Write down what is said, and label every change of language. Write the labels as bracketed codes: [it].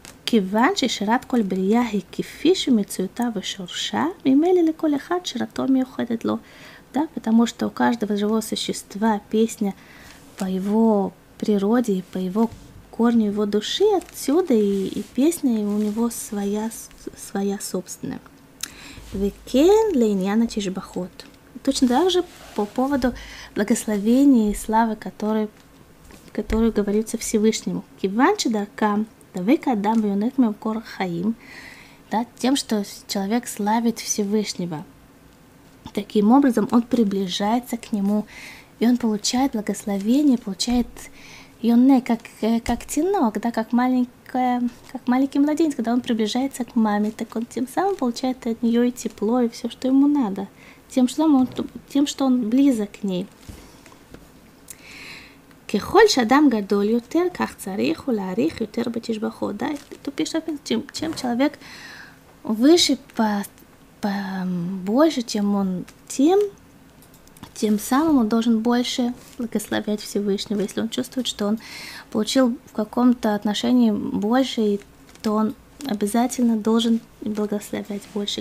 [he] כיוון ששירת כל בריאה היא כפי שמצויותה ושורשה, ממילא לכל אחד שירתו מיוחדת לו. [ru] Да, потому что у каждого живого существа песня по его природе, по его корню, его души, отсюда и песня у него своя собственная. [he] וכן לעניין התשבחות. [ru] Точно так же по поводу благословения и славы, которые говорится Всевышнему. [he] כיוון שדרכם, [ru] да, тем, что человек славит Всевышнего. Таким образом, он приближается к нему, и он получает благословение, получает юне, как тенок, да, как маленький младенец, когда он приближается к маме, так он тем самым получает от нее и тепло, и все, что ему надо, тем, что он близок к ней. [he] ככל שאדם גדול יותר, כך צריך ולהעריך יותר בתשבחות. [ru] Да, то есть, чем человек выше, больше, чем он, тем самым он должен больше благословлять Всевышнего. Если он чувствует, что он получил в каком-то отношении больше, то он обязательно должен благословлять больше.